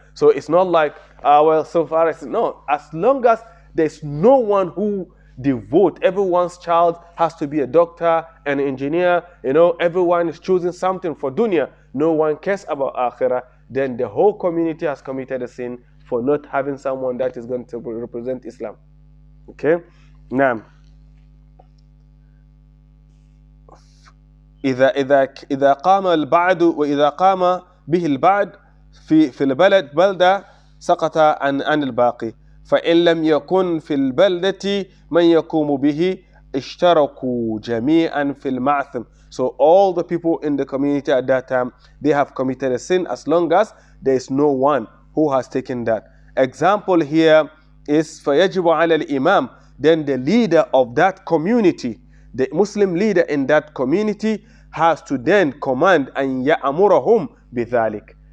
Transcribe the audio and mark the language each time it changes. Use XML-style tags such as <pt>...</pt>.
<en>So it's not like, so far as... No, as long as there's no one who devote, everyone's child has to be a doctor, an engineer, you know, everyone is choosing something for dunya, no one cares about akhirah, then the whole community has committed a sin for not having someone that is going to represent Islam. Okay?</en> <ar>Now, إذا قام البعد وإذا قام به البعد في البلد بلدة سقط عن الباقي فإن لم يكن في البلدة من يقوم به اشتركوا جميعا في المعثم.</ar> <en>So all the people in the community at that time, they have committed a sin as long as there is no one who has taken that. Example here is</en> <ar>فيجب على الإمام.</ar> <en>Then the leader of that community, the Muslim leader in that community, has to then command and ya'amurahum bithalik.</en>